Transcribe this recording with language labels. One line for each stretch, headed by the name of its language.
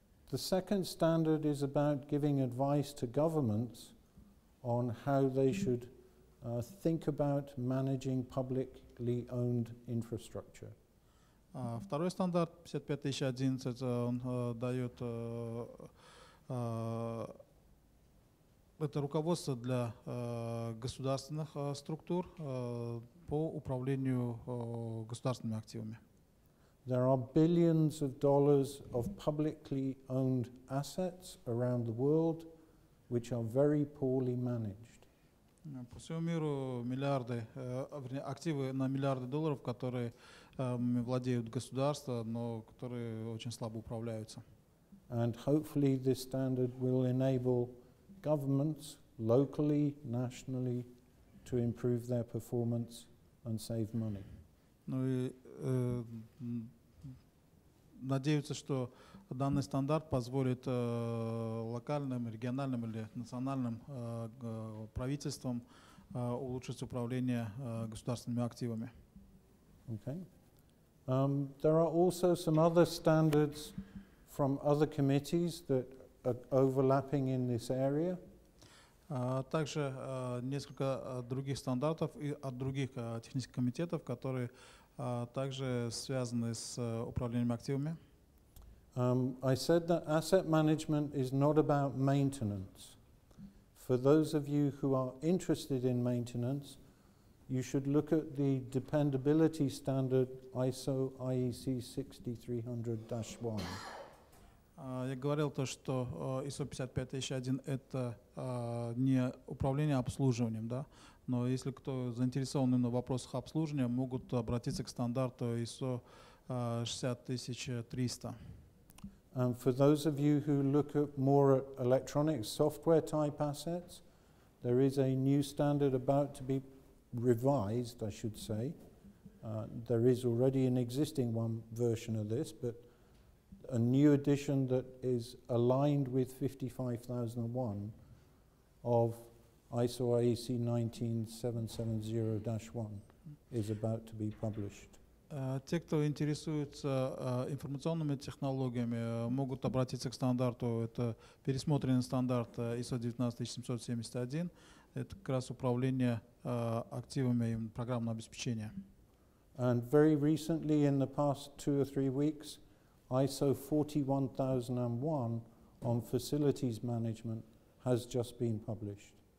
English: The second standard is about giving advice to governments on how they should think about managing publicly owned infrastructure.
Russian: Второй стандарт 55011, он дает это руководство для государственных структур по управлению государственными активами.
English: There are billions of dollars of publicly owned assets around the world which are very poorly managed.
Russian: По всему миру миллиарды активы на миллиарды долларов, которые владеют государства, но которые очень слабо управляются.
English: And hopefully this standard will enable governments locally, nationally, to improve their performance and save money.
Russian: Ну и надеются, что данный стандарт позволит локальным, региональным или национальным правительствам улучшить управление государственными активами.
English: Okay. There are also some other standards from other committees that overlapping in this area.
Russian: Также несколько других стандартов и от других технических комитетов, которые также связаны с управлением активами.
English: I said that asset management is not about maintenance. For those of you who are interested in maintenance, you should look at the dependability standard ISO IEC 63001.
Russian: Я говорил то, что ISO 55001 – это не управление, а обслуживанием, да? Но если кто заинтересован именно в вопросах обслуживания, могут обратиться к стандарту ISO 60300.
English: And for those of you who look at more electronic software type assets, there is a new standard about to be revised, I should say. There is already an existing one version of this, but a new edition that is aligned with 55001 of ISO IEC 19770-1 is about to be published.
Russian: Те, кто интересуется информационными технологиями, могут обратиться к стандарту. Это пересмотренный стандарт ISO 19771. Это как раз управление активами и программное обеспечение.
English: And very recently, in the past two or three weeks, ISO 41001 on facilities management has just been published.